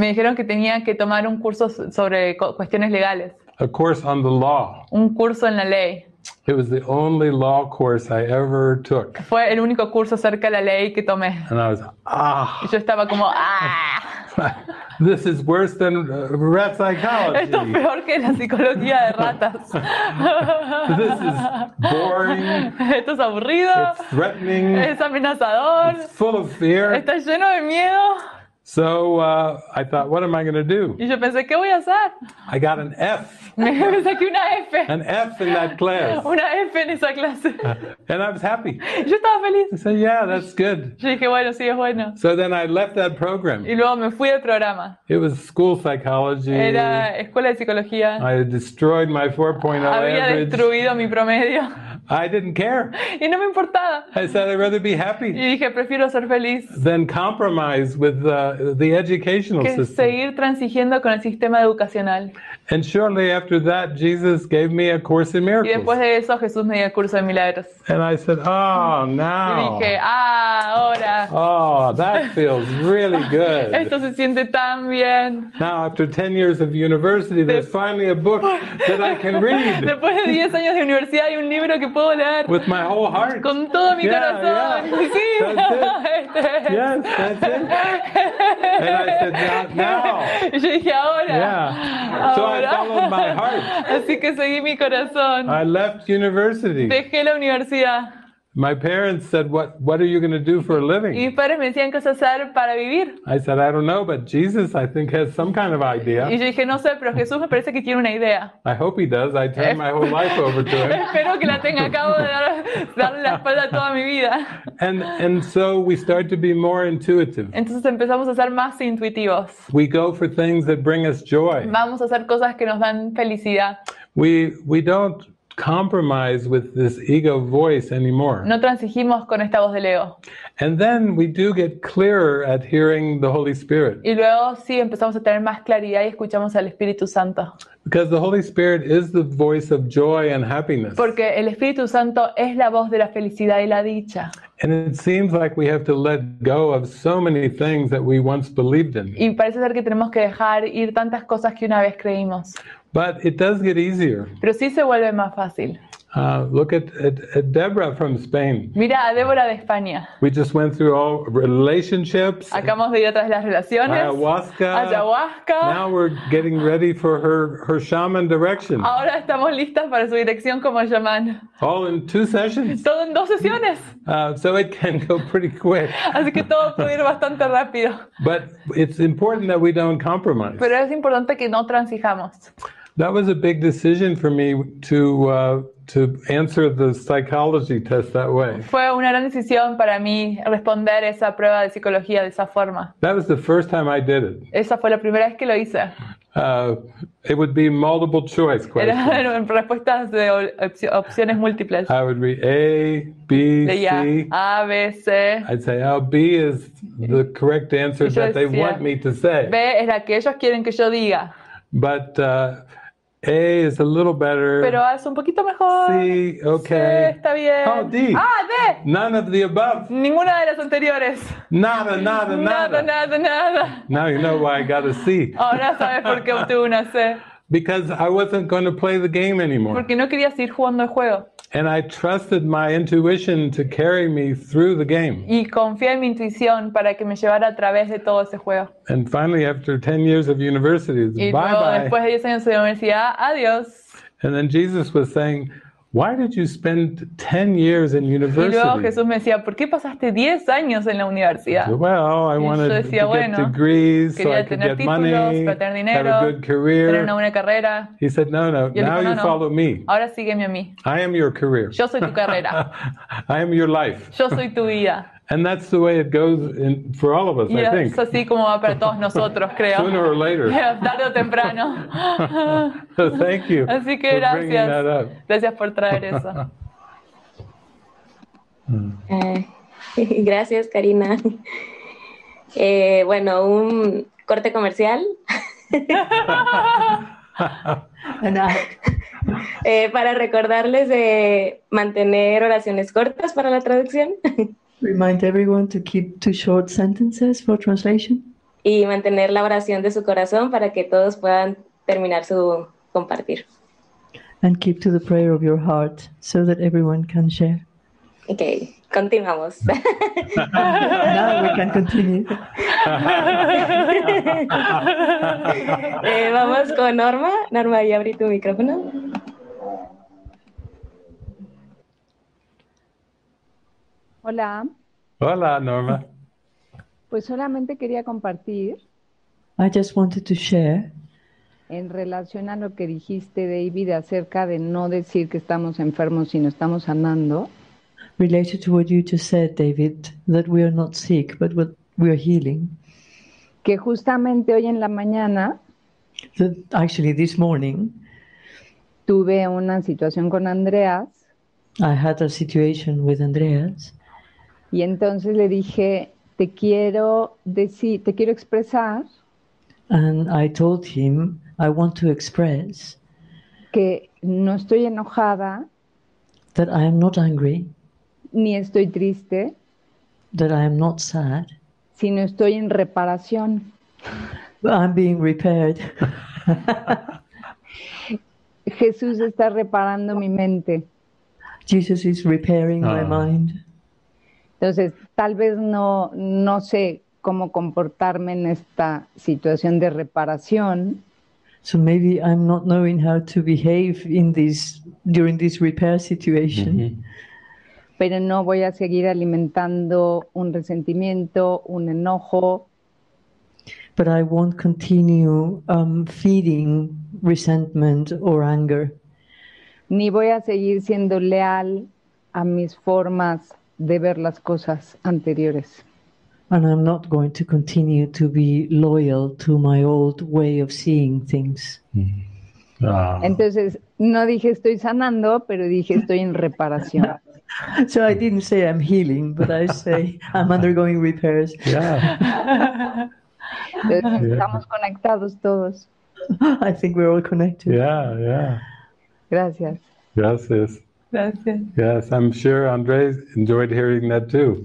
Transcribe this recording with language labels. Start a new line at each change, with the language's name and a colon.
Spanish: Me dijeron que tenía que tomar un curso sobre cuestiones legales.
English: A course on the law.
Spanish: Un curso en la ley.
English: It was the only law course I ever took.
Spanish: Fue el único curso acerca de la ley que tomé.
English: And I was, ah.
Spanish: Y yo estaba como, ah.
English: This is worse than rat psychology.
Spanish: Esto es peor que la psicología de ratas.
English: This is boring.
Spanish: Esto es aburrido.
English: It's threatening.
Spanish: Es amenazador.
English: It's full of fear.
Spanish: Está lleno de miedo.
English: So I thought, what am I going to do?
Spanish: Y yo pensé, ¿qué voy a hacer?
English: I got an F.
Spanish: Me saqué una F.
English: An F in that class.
Spanish: Una F en esa clase.
English: And I was happy.
Spanish: Y yo estaba feliz.
English: I said, yeah, that's good.
Spanish: Yo dije, bueno, sí, es bueno.
English: So then I left that program.
Spanish: Y luego me fui del programa.
English: It was school psychology.
Spanish: Era escuela de psicología.
English: I destroyed my 4.0
Spanish: Había
English: average.
Spanish: Había destruido mi promedio.
English: I didn't care.
Spanish: Y no me importaba.
English: I said, I'd rather be happy.
Spanish: Y dije, prefiero ser feliz.
English: Than compromise with the educational system.
Spanish: Que seguir transigiendo con el sistema educacional.
English: And shortly after that, Jesus gave me a Course in Miracles.
Spanish: Y después de eso, Jesús me dio el curso de milagros.
English: And I said, oh, now.
Spanish: Y dije, ah, ahora.
English: Oh, that feels really good.
Spanish: Esto se siente tan bien.
English: Now, after 10 years of university, there's finally a book that I can read.
Spanish: Después de 10 años de universidad, hay un libro que puedo leer.
English: With my whole heart.
Spanish: Con todo mi corazón.
English: Yeah.
Spanish: Sí.
English: That's it. Yes, that's it. And I said, not now.
Spanish: Y yo dije, ahora.
English: Yeah. So
Spanish: ahora.
English: I followed my heart.
Spanish: Así que seguí mi corazón.
English: I left university.
Spanish: Dejé la universidad.
English: My parents said, what are you going to do for a living?
Spanish: Y mis padres me decían, ¿qué vas a hacer para vivir?
English: I said, I don't know, but Jesus, I think, has some kind of idea.
Spanish: Y yo dije, no sé, pero Jesús me parece que tiene una idea.
English: I hope he does. I turn my whole life over to him.
Spanish: Espero que la tenga. Acabo de darle la espalda toda mi vida.
English: And so we start to be more intuitive.
Spanish: Entonces empezamos a ser más intuitivos.
English: We go for things that bring us joy.
Spanish: Vamos a hacer cosas que nos dan felicidad.
English: We don't compromise with this ego voice anymore.
Spanish: No transigimos con esta voz del ego.
English: And then we do get clearer at hearing the Holy Spirit.
Spanish: Y luego sí empezamos a tener más claridad y escuchamos al Espíritu Santo.
English: Because the Holy Spirit is the voice of joy and happiness.
Spanish: Porque el Espíritu Santo es la voz de la felicidad y la dicha.
English: And it seems like we have to let go of so many things that we once believed in.
Spanish: Y parece ser que tenemos que dejar ir tantas cosas que una vez creímos.
English: But it does get easier.
Spanish: Pero sí se vuelve más fácil.
English: Look at Deborah from Spain.
Spanish: Mira a Débora de España.
English: We just went through all relationships.
Spanish: Acabamos de ir a través de las relaciones. Ayahuasca.
English: Now we're getting ready for her shaman direction.
Spanish: Ahora estamos listas para su dirección como shaman.
English: All in two sessions.
Spanish: Todo en dos sesiones.
English: So it can go pretty quick.
Spanish: Así que todo puede ir bastante rápido.
English: But it's important that we don't compromise.
Spanish: Pero es importante que no transijamos.
English: That was a big decision for me to answer the psychology test that way.
Spanish: Fue una gran decisión para mí responder esa prueba de psicología de esa forma.
English: That was the first time I did it.
Spanish: Esa fue la primera vez que lo hice.
English: It would be multiple choice questions.
Spanish: Eran respuestas de opciones múltiples.
English: I would read A, B, C.
Spanish: A, B, C.
English: I'd say, oh, B is the correct answer that they want me to say.
Spanish: B es la que ellos quieren que yo diga.
English: But A is a little better.
Spanish: Pero A es un poquito mejor.
English: C, okay.
Spanish: C, está bien.
English: Oh, D.
Spanish: Ah, D.
English: None of the above.
Spanish: Ninguna de las anteriores. Nada, nada, nada. Nada, nada, nada.
English: Now you know why I got a C.
Spanish: Ahora sabes por qué obtuve una C.
English: Because I wasn't going to play the game anymore.
Spanish: Porque no quería seguir jugando el juego.
English: And I trusted my intuition to carry me through the game.
Spanish: Y confié en mi intuición para que me llevara a través de todo ese juego.
English: And finally, after 10 years of university, bye-bye.
Spanish: Y luego, después de 10 años de universidad, adiós.
English: And then Jesus was saying, Why did you spend 10 years in university?
Spanish: Y luego Jesús me decía, ¿por qué pasaste 10 años en la universidad?
English: I wanted to get degrees so I could get money,
Spanish: dinero,
English: have a good career.
Spanish: Tener una buena carrera.
English: He said, no, follow me.
Spanish: Ahora sígueme a mí.
English: I am your career.
Spanish: Yo soy tu carrera.
English: I am your life.
Spanish: Yo soy tu vida.
English: And that's the way it goes in, for all of us,
Spanish: y
English: I think.
Spanish: Es así como va para todos nosotros, creo.
English: Sooner or later.
Spanish: Tarde o temprano.
English: So thank you.
Spanish: Así que
English: for
Spanish: gracias.
English: Bringing that up.
Spanish: Gracias por traer eso. Gracias, Karina. Bueno, un corte comercial. para recordarles de mantener oraciones cortas para la traducción.
English: Remind everyone to keep two short sentences for translation.
Spanish: Y mantener la oración de su corazón para que todos puedan terminar su compartir.
English: And keep to the prayer of your heart so that everyone can share.
Spanish: Okay, continuamos.
English: Now we can continue.
Spanish: vamos con Norma. Norma, ya abrí tu micrófono. Hola. Hola, Norma. Pues solamente quería compartir.
English: I just wanted to share.
Spanish: En relación a lo que dijiste, David, acerca de no decir que estamos enfermos, sino estamos sanando.
English: Related to what you just said, David, that we are not sick, but we are healing.
Spanish: Que justamente hoy en la mañana.
English: That actually, this morning.
Spanish: Tuve una situación con Andreas.
English: I had a situation with Andreas.
Spanish: Y entonces le dije, te quiero decir, te quiero expresar.
English: And I told him, I want to express.
Spanish: Que no estoy enojada.
English: That I am not angry.
Spanish: Ni estoy triste.
English: That I am not sad.
Spanish: Sino estoy en reparación.
English: I'm being repaired.
Spanish: Jesús está reparando mi mente.
English: Jesus is repairing my mind.
Spanish: Entonces, tal vez no sé cómo comportarme en esta situación de reparación.
English: So maybe I'm not knowing how to behave in this during this repair situation. Mm-hmm.
Spanish: Pero no voy a seguir alimentando un resentimiento, un enojo.
English: But I won't continue feeding resentment or anger.
Spanish: Ni voy a seguir siendo leal a mis formas de ver las cosas anteriores.
English: And I'm not going to continue to be loyal to my old way of seeing things. Mm-hmm.
Spanish: Entonces, no dije estoy sanando, pero dije estoy en reparación.
English: So I didn't say I'm healing, but I say I'm undergoing repairs. Yeah.
Spanish: Entonces, estamos conectados todos.
English: I think we're all connected. Yeah.
Spanish: Gracias. Gracias. Gracias.
English: Yes, I'm sure Andrés enjoyed hearing that too.